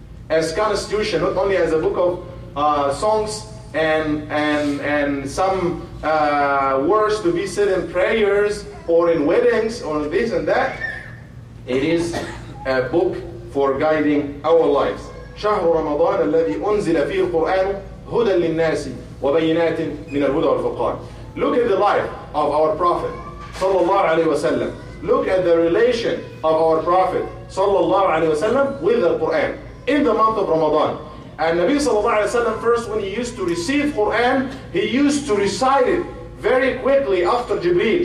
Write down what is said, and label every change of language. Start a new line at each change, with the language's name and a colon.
English: As constitution, not only as a book of songs and some words to be said in prayers or in weddings or this and that. It is a book for guiding our lives.
Arabic: شهر رمضان الذي أنزل فيه القرآن هدى للناس وبينات من الهدى والفقار.
English: Look at the life of our Prophet صلى الله عليه وسلم. Look at the relation of our Prophet صلى الله عليه وسلم with the Quran in the month of Ramadan. And Nabi صلى الله عليه وسلم, first when he used to receive Quran, he used to recite it very quickly after Jibreel.